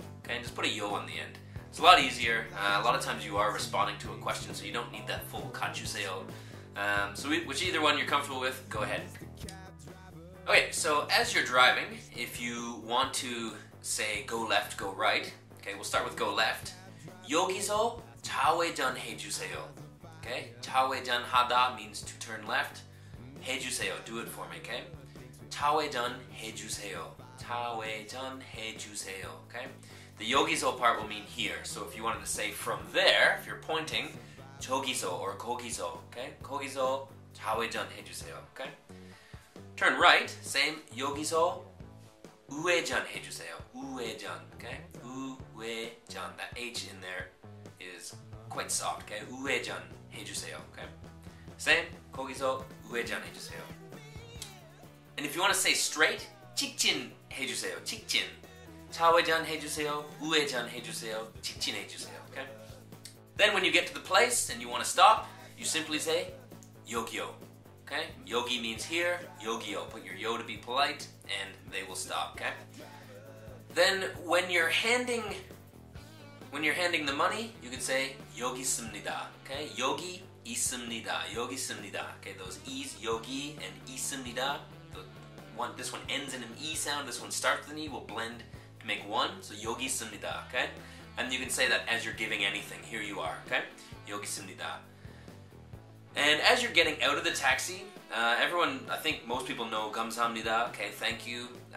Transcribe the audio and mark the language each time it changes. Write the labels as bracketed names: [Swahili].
[English] Okay, and just put a 요 on the end. It's a lot easier. A lot of times you are responding to a question, so you don't need that full 가주세요. So either one you're comfortable with, go ahead. Okay, so as you're driving, if you want to say go left, go right, okay, we'll start with go left. [Korean] 여기서 좌회전 해주세요. [English] Okay, [Korean] 좌회전 하다 [English] means to turn left. [Korean] 해주세요, [English] do it for me, okay? [Korean] 좌회전 해주세요. 좌회전 해주세요, okay? [English] The 여기서 part will mean here. So if you wanted to say from there, if you're pointing, 저기서 or 거기서, okay? [Korean] 거기서 좌회전 해주세요, okay? [English] Turn right, same. [Korean] 여기서 우회전 해주세요. 우회전, okay? 우회전. [English] That H in there is quite soft, okay? [Korean] 우회전 해주세요, okay? [English] Same. [Korean] 거기서 우회전 해주세요. [English] And if you want to say straight, [Korean] 직진 해주세요. 직진. 좌회전 해주세요, 우회전 해주세요, 직진 해주세요, okay? [English] Then when you get to the place and you want to stop, you simply say 여기요, okay? 여기 means here, [Korean] 여기요. [English] Put your 요 to be polite and they will stop, okay? Then when you're handing the money, you can say [Korean] 여기 있습니다, [English] okay? [Korean] 여기 있습니다, 여기 있습니다, okay? [English] Those E's, 여기 and 있습니다. This one ends in an E sound, this one starts with an E, will blend to make one, so [Korean] 여기 있습니다, [English] okay? And you can say that as you're giving anything, here you are, okay? [Korean] 여기 있습니다. [English] And as you're getting out of the taxi, everyone, I think most people know [Korean] 감사합니다, [English] okay, thank you.